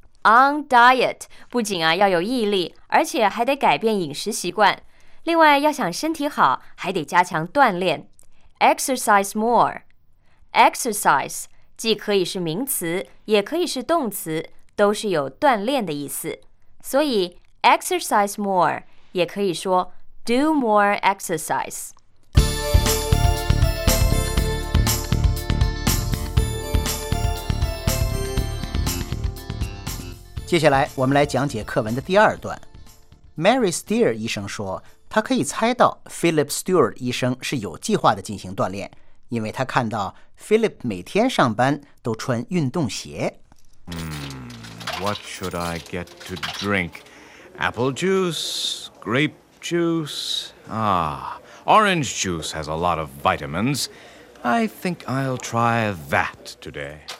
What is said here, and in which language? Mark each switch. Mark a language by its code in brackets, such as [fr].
[zh] On diet 不仅啊要有毅力，而且还得改变饮食习惯，另外要想身体好还得加强锻炼。 [en] Exercise more. [zh] Exercise既可以是名词，也可以是动词，都是有锻炼的意思。所以 exercise more 也可以说 do more exercise。接下来我们来讲解课文的第二段。Mary Steer 医生说，他可以猜到 Philip Stewart 医生是有计划的进行锻炼，因为他看到 Philip 每天上班都穿运动鞋。 [en] What should I get to drink? Apple juice? Grape juice? Orange juice has a lot of vitamins. I think I'll try that today.